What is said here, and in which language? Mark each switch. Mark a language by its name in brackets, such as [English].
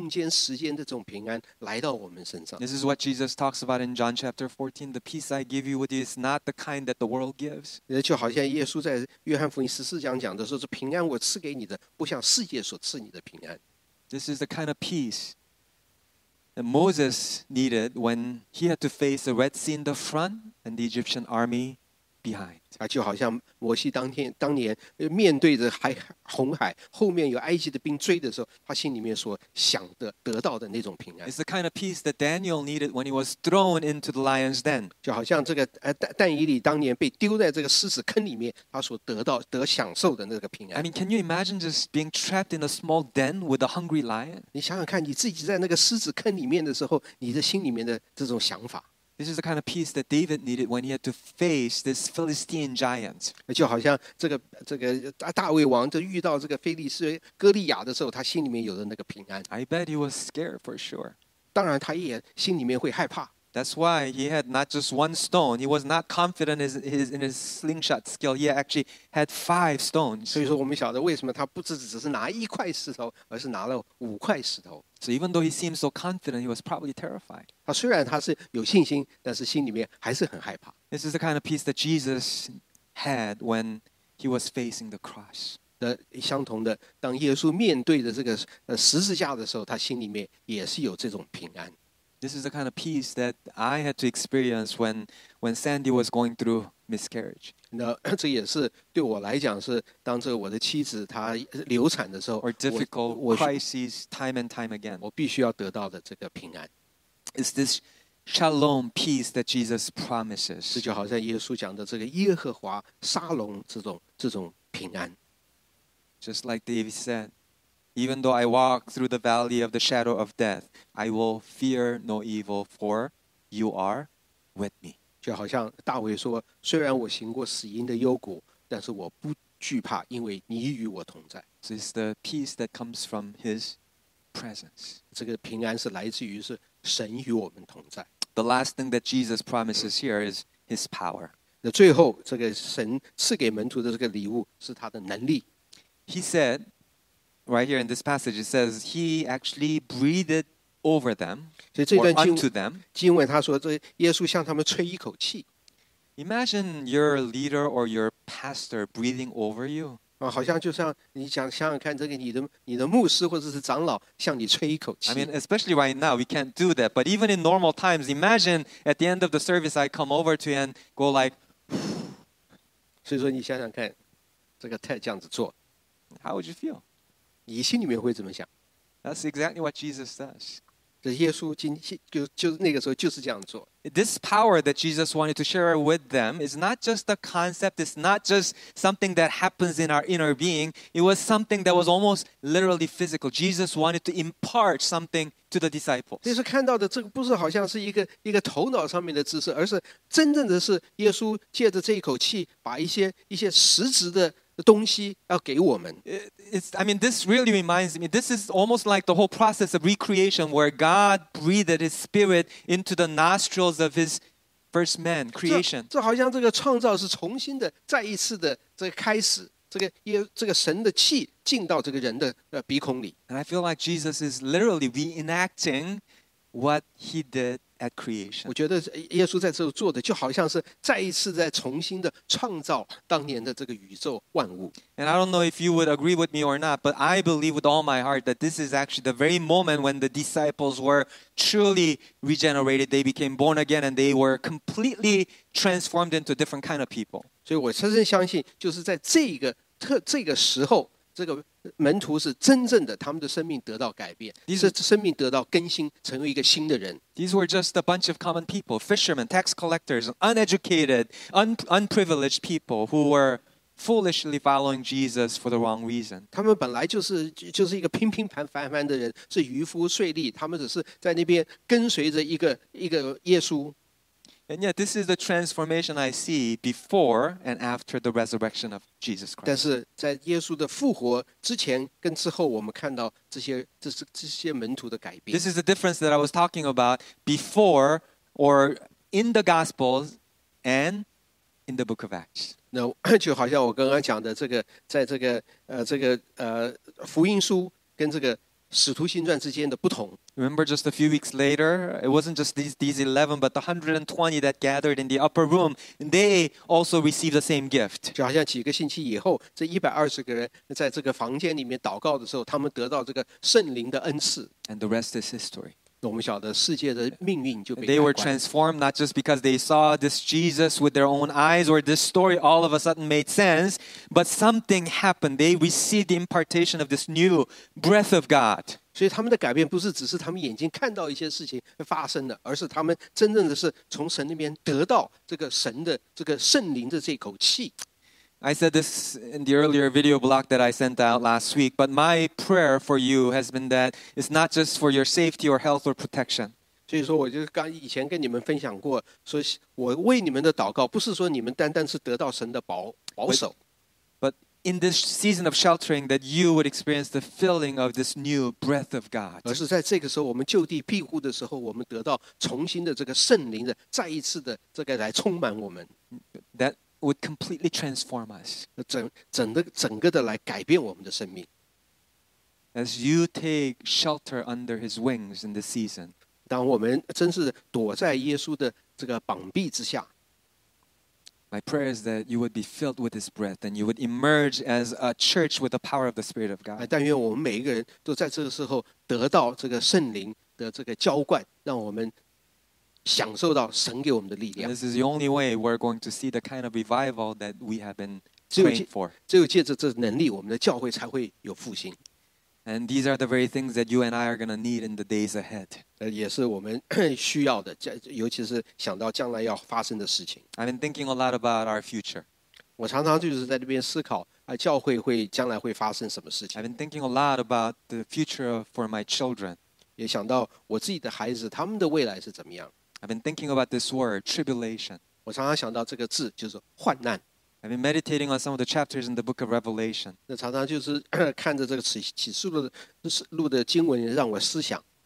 [Chinese] 而是这个超越这个空间时间的这种平安来到我们身上。 [English] This is what Jesus talks about in John chapter 14. The peace I give you with you is not the kind that the world gives. [Chinese] 就好像耶稣在约翰福音14章讲的说，这平安我赐给你的，不像世界所赐你的平安。 [English] This is the kind of peace that Moses needed when he had to face the Red Sea in the front and the Egyptian army behind. [Chinese] 就好像摩西当年面对着红海，后面有埃及的兵追的时候，他心里面所想的得到的那种平安。 [English] It's the kind of peace that Daniel needed when he was thrown into the lion's den. [Chinese] 就好像这个但以理当年被丢在这个狮子坑里面，他所得享受的那个平安。 [English] I mean, can you imagine just being trapped in a small den with a hungry lion? [Chinese] 你想想看，你自己在那个狮子坑里面的时候，你的心里面的这种想法。 [English] This is the kind of peace that David needed when he had to face this Philistine giant. [Chinese] 就好像这个大卫王就遇到这个非利士哥利亚的时候，他心里面有的那个平安。 [English] I bet he was scared for sure. [Chinese] 当然，他也心里面会害怕。 [English] That's why he had not just one stone. He was not confident in his slingshot skill. He actually had five stones. [Chinese] 所以说，我们晓得为什么他不只是拿一块石头，而是拿了五块石头。 [English] So even though he seemed so confident, he was probably terrified. [Chinese] 他虽然他是有信心，但是心里面还是很害怕。 [English] This is the kind of peace that Jesus had when he was facing the cross. [Chinese] 的相同的，当耶稣面对着这个十字架的时候，他心里面也是有这种平安。 [English] This is the kind of peace that I had to experience when Sandy was going through miscarriage. [Chinese] 那这也是对我来讲是当这我的妻子她流产的时候 [English] ，or difficult crises time and time again. [Chinese] 我必须要得到的这个平安 [English] ，is this shalom peace that Jesus promises. [Chinese] 这就好像耶稣讲的这个耶和华沙龙这种平安。 [English] Just like David said. Even though I walk through the valley of the shadow of death, I will fear no evil, for you are with me. [Chinese] 就好像大卫说，虽然我行过死荫的幽谷，但是我不惧怕，因为你与我同在。 [English] So it's the peace that comes from His presence. [Chinese] 这个平安是来自于是神与我们同在。 [English] The last thing that Jesus promises here is His power. [Chinese] 那最后这个神赐给门徒的这个礼物是他的能力。 [English] He said. Right here in this passage, it says he actually breathed over them or unto them. [Chinese] 经文他说，这耶稣向他们吹一口气。 [English] Imagine your leader or your pastor breathing over you. [Chinese] 好像就像你想想看，这个你的牧师或者是长老向你吹一口气。 [English] I mean, especially right now, we can't do that. But even in normal times, imagine at the end of the service, I come over to you and go like. [Chinese] 所以说，你想想看，这个Ted这样子做。 [English] How would you feel? [Chinese] 你心里面会怎么想 [English] That's exactly what Jesus does. [Chinese] 这耶稣就那个时候就是这样做。 [English] This power that Jesus wanted to share with them is not just a concept, it's not just something that happens in our inner being. It was something that was almost literally physical. Jesus wanted to impart something to the disciples. [Chinese] 耶稣看到的这个不是好像是一个头脑上面的知识，而是真正的是耶稣借着这一口气把一些实质的东西要给我们。 [English] This really reminds me. This is almost like the whole process of recreation, where God breathed His Spirit into the nostrils of His first man, creation. [Chinese] 这好像这个创造是重新的、再一次的这个开始。这个神的气进到这个人的鼻孔里。 [English] And I feel like Jesus is literally reenacting what He did at creation. [Chinese] 我觉得耶稣在这做的就好像是再一次在重新的创造当年的这个宇宙万物。 [English] And I don't know if you would agree with me or not, but I believe with all my heart that this is actually the very moment when the disciples were truly regenerated. They became born again and they were completely transformed into a different kind of people. [Chinese] 所以我深深相信就是在这个时候这个门徒是真正的他们的生命得到改变 [English] these, [Chinese] 是生命得到更新成为一个新的人 [English] These were just a bunch of common people fishermen, tax collectors, uneducated unprivileged people who were foolishly following Jesus for the wrong reason [Chinese] 他们本来就是一个平平凡凡的人是渔夫税吏他们只是在那边跟随着一个耶稣 [English] And yet this is the transformation I see before and after the resurrection of Jesus Christ [Chinese] 但是在耶稣的复活之前跟之后我们看到这些门徒的改变 [English] This is the difference that I was talking about before or in the Gospels and in the book of Acts [Chinese] 那就好像我刚刚讲的这个在这个福音书跟这个使徒行传之间的不同 [English] Remember just a few weeks later It wasn't just these 11 But the 120 that gathered in the upper room They also received the same gift [Chinese] 就好像几个星期以后这120个人在这个房间里面祷告的时候他们得到这个圣灵的恩赐 [English] And the rest is history [Chinese] 我们晓得世界的命运就被 [English] They were transformed not just because they saw this Jesus with their own eyes or this story all of a sudden made sense, but something happened. They received the impartation of this new breath of God. [Chinese] 所以他们的改变不是只是他们眼睛看到一些事情发生了，而是他们真正的是从神那边得到这个神的这个圣灵的这口气。 [English] I said this in the earlier video blog that I sent out last week, but my prayer for you has been that it's not just for your safety or health or protection. [Chinese] 所以说我就刚以前跟你们分享过，说我为你们的祷告不是说你们单单是得到神的保守。 [English] But in this season of sheltering that you would experience the filling of this new breath of God. [Chinese] 而是在这个时候我们就地庇护的时候，我们得到重新的这个圣灵的再一次的这个来充满我们。 [English] That would completely transform us. [Chinese] 整个的来改变我们的生命。 [English] As you take shelter under his wings in this season, [Chinese] 当我们真是躲在耶稣的这个膀臂之下。 [English] My prayer is that you would be filled with his breath and you would emerge as a church with the power of the Spirit of God. [Chinese] 但愿我们每一个人都在这个时候得到这个圣灵的这个浇灌，让我们享受到神给我们的力量。 [English] This is the only way we're going to see the kind of revival that we have been praying for. [Chinese] 只有借着这能力，我们的教会才会有复兴。 [English] And these are the very things that you and I are going to need in the days ahead. [Chinese] 也是我们需要的，尤其是想到将来要发生的事情。 [English] I've been thinking a lot about our future. [Chinese] 我常常就是在那边思考，教会会将来会发生什么事情。 [English] I've been thinking a lot about the future for my children. [Chinese] 也想到我自己的孩子，他们的未来是怎么样。 [English] I've been thinking about this word, tribulation. [Chinese] 我常常想到这个字就是患难。 [English] I've been meditating on some of the chapters in the book of Revelation. [Chinese] 那常常就是看着这个启示录的经文让我思想。